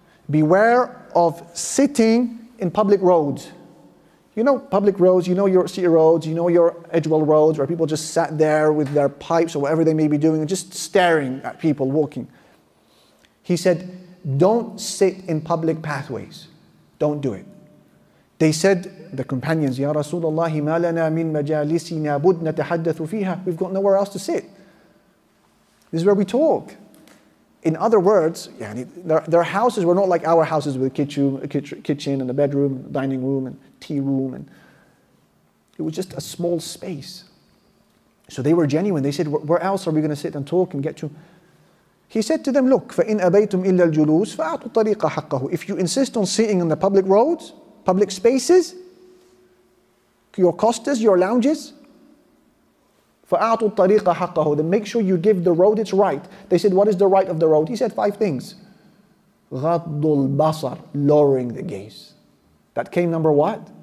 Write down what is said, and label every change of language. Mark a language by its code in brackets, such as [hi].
[en] Beware of sitting in public roads. You know public roads, you know your city roads, you know your Edgewell roads where people just sat there with their pipes or whatever they may be doing and just staring at people walking. He said, don't sit in public pathways. Don't do it. They said, the companions, Ya Rasulullah, [ar] ما لنا من مجالسنا بد نتحدث فيها. [en] We've got nowhere else to sit. This is where we talk. In other words, يعني, their houses were not like our houses with a kitchen and a bedroom, dining room and tea room. And it was just a small space. So they were genuine. They said, where else are we going to sit and talk and get to? He said to them, look, [ar] فَإِنْ أَبَيْتُمْ إِلَّا الْجُلُوسِ فَأَعْطُوا طَرِيقَ حَقَّهُ. [en] If you insist on sitting in the public roads, public spaces, your costas, your lounges, [ar] فَأَعْطُوا طَرِيقَ حَقَّهُ. [en] Then make sure you give the road its right. They said, what is the right of the road? He said five things. [ar] غَضُّ الْبَصَرِ, [en] lowering the gaze. That came number what?